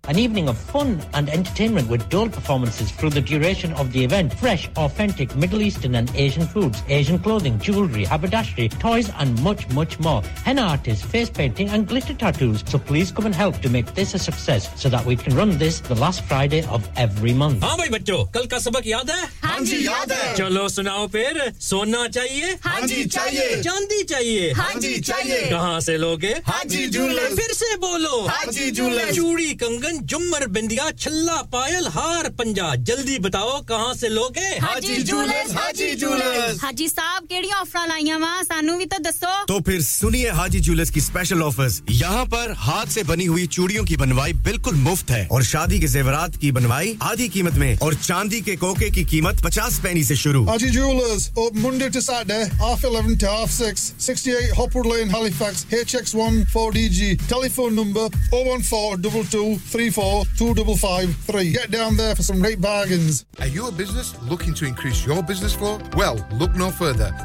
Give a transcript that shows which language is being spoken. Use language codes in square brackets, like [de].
[en] An evening of fun and entertainment with dual performances through the duration of the event. Fresh, authentic Middle Eastern and Asian foods, Asian clothing, jewellery, haberdashery, toys and much, much more. Henna artists, face painting and glitter tattoos. So please come and help to make this a success so that we can run this the last Friday of every month. [hi] Haan bhai bachcho, kal ka sabak yaad hai? Haan ji, yaad hai. चलो सुनाओ फिर सोना चाहिए हाँ जी चाहिए चांदी चाहिए हाँ जी चाहिए कहां से लोगे हाँ जी जूलर्स फिर से बोलो हाँ जी जूलर्स चूड़ी कंगन जुमर बिंदिया छल्ला पायल हार पंजा जल्दी बताओ कहां से लोगे हाँ जी जूलर्स हाँ जी जूलर्स [pa] हाँ जी साहब केड़ी ऑफर लाईया वा सानू भी तो दसो [hi] तो फिर सुनिए हाजी जूलर्स की स्पेशल ऑफर्स यहां पर हाथ से बनी हुई चूड़ियों की बनवाई बिल्कुल मुफ्त है और शादी के जेवरात की बनवाई आधी कीमत में और चांदी के कोके की कीमत 50 पैसे से [en] Haji Jewelers, open Monday to Saturday, 11:30 to 6:30, 68 Hopwood Lane, Halifax, HX1 4DG. Telephone number 01422342553. Get down there for some great bargains. Are you a business looking to increase your business flow? Well, look no further.